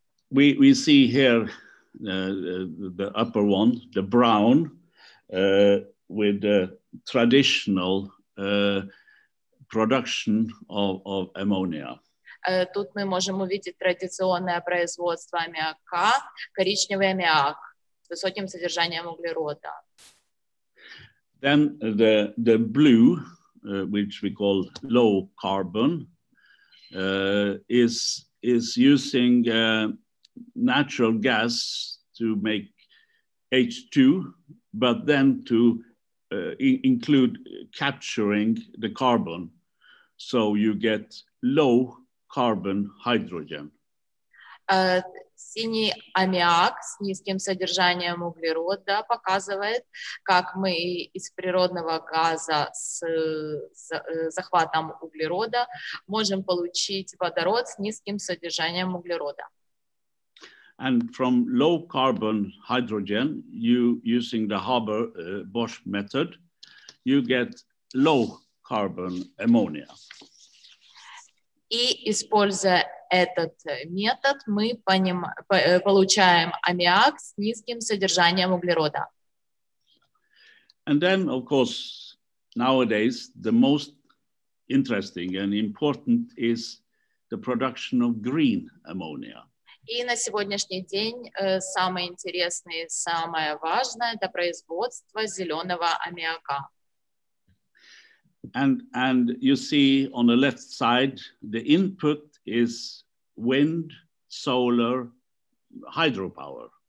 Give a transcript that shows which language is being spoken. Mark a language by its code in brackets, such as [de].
[en] We see here the upper one, the brown, with the traditional production of ammonia. [ru] Тут мы можем увидеть традиционное производство аммиака, коричневый аммиак с высоким содержанием углерода. [en] Then the blue, which we call low carbon, is using natural gas to make H2, but then to include capturing the carbon, so you get low carbon hydrogen. [ru] Синий аммиак с низким содержанием углерода показывает, как мы из природного газа с захватом углерода можем получить водород с низким содержанием углерода. [en] And from low carbon hydrogen, you using the Haber-Bosch method, you get low carbon ammonia. [ru] И используя этот метод, мы получаем аммиак с низким содержанием углерода. [en] And then, of course, nowadays, the most interesting and important is the production of green ammonia. [ru] И на сегодняшний день самое интересное и самое важное – это производство зеленого аммиака. [en] And you see on the left side, the input is wind, solar, hydropower.